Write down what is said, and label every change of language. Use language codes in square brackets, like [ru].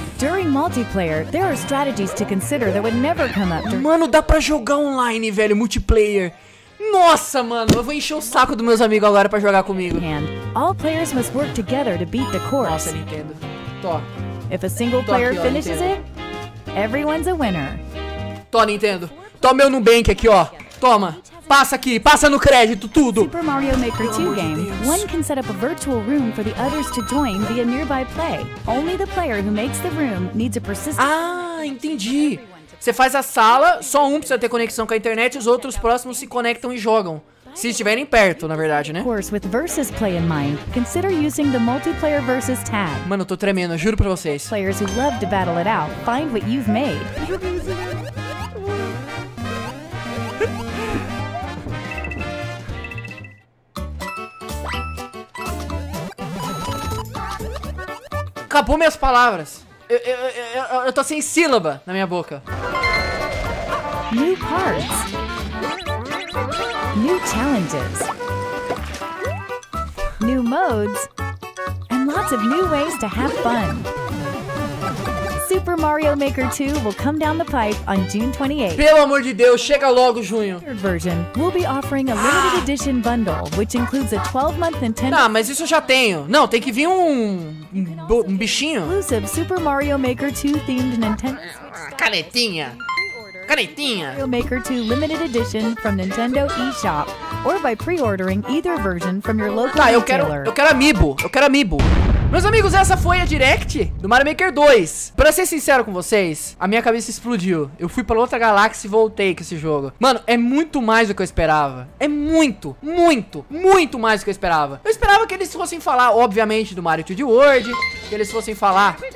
[en] During multiplayer, there are strategies to consider that would never come up. [pt] Mano, dá pra jogar online, velho, multiplayer. Nossa, mano, eu vou encher o saco dos meus amigos agora pra jogar comigo. [en] And all players must work together to beat the course. [pt] Nossa, Nintendo. Tô. [en] If a single player finishes it, everyone's a winner. [pt] Tô, Nintendo. Toma meu Nubank aqui, ó. Toma. Passa aqui, passa no crédito tudo. [en] Super Mario Maker 2 game. One can set up a virtual room for the others to join via nearby play. Only the player who makes the room needs a persistent. [pt] Ah, entendi. Você faz a sala, só um precisa ter conexão com a internet, os outros próximos se conectam e jogam. Se estiverem perto, na verdade, né? [en] Of course, with versus play in mind, consider using the multiplayer versus tag. [pt] Mano, eu tô tremendo, eu juro pra vocês. [en] Players who love to battle it out, find what you've made. [pt] Acabou minhas palavras. Eu tô sem sílaba na minha boca. [en] New parts. New challenges. New modes. And lots of new ways to have fun. Super Mario Maker 2 will come down the pipe on June 28th. [pt] Pelo amor de Deus, chega logo, junho. [en] Version, we'll be offering a limited edition bundle, which includes a 12-month Nintendo. [pt] Ah, mas isso eu já tenho. Não, tem que vir um bichinho. [en] Exclusive Super Mario Maker 2 themed Nintendo. [pt] Canetinha. Canetinha. [en] Mario Maker 2 limited edition from Nintendo eShop, or by pre-ordering either version from your local retailer. [pt] Tá, eu quero Amiibo. Eu quero Amiibo. Meus amigos, essa foi a Direct do Mario Maker 2. Pra ser sincero com vocês, a minha cabeça explodiu. Eu fui pra outra galáxia e voltei com esse jogo. Mano, é muito mais do que eu esperava. É muito, muito, muito mais do que eu esperava. Eu esperava que eles fossem falar, obviamente, do Mario 3D World. Que eles fossem falar...